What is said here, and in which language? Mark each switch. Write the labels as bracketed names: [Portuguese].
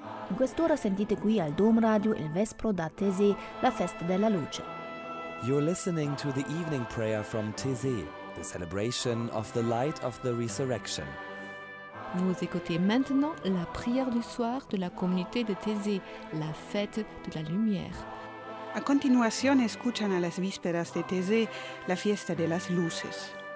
[Italian] In quest'ora sentite qui al Domradio il Vespro da Taizé, la Festa della Luce. [English] You're listening to the evening prayer from Taizé, the celebration of the light of the resurrection. [French] Vous écoutez maintenant la prière du soir de la communauté de Taizé, la fête de la lumière. [Spanish] A continuación, escuchan a las vísperas de Taizé, la fiesta de las luces.